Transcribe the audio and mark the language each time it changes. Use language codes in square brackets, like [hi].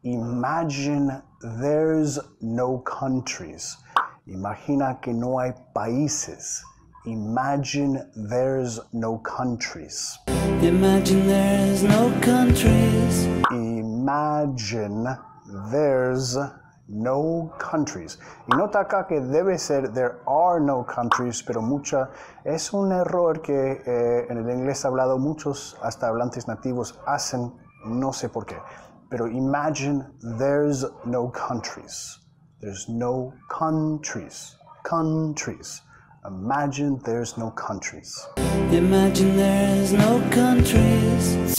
[en] Imagine there's no countries. [es] Imagina que no hay países. [en] Imagine there's no countries. Imagine there's no countries. Imagine there's no countries. [es] Y nota acá que debe ser [en] there are no countries, [es] pero mucha es un error que en el inglés hablado muchos hasta hablantes nativos hacen, no sé por qué. [en] Pero imagine there's no countries. There's no countries. Countries. Imagine there's no countries. Imagine there's no countries.